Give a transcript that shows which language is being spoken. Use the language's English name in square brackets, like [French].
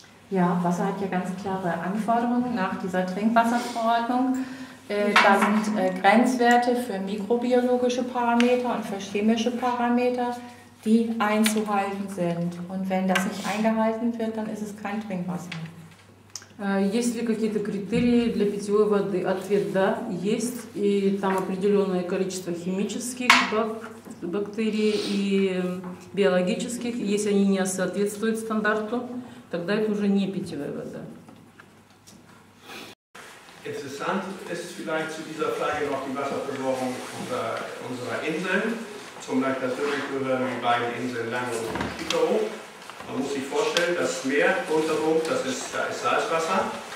[German] Ja, Wasser hat ja ganz klare Anforderungen nach dieser Trinkwasserverordnung. Da sind Grenzwerte für mikrobiologische Parameter und für chemische Parameter, die einzuhalten sind. Und wenn das nicht eingehalten wird, dann ist es kein Trinkwasser. [Russian] Есть ли какие-то критерии для питьевой воды? Ответ – да, есть. И там определенное количество химических бактерий и биологических. Если они не соответствуют стандарту, тогда это уже не питьевая вода. [German] Interessant ist vielleicht zu dieser Frage noch die Wasserversorgung unserer Inseln. Zum Lake Tasman gehören die beiden Inseln Lango und Kikkeri. Man muss sich vorstellen, das Meer rundherum, da ist Salzwasser.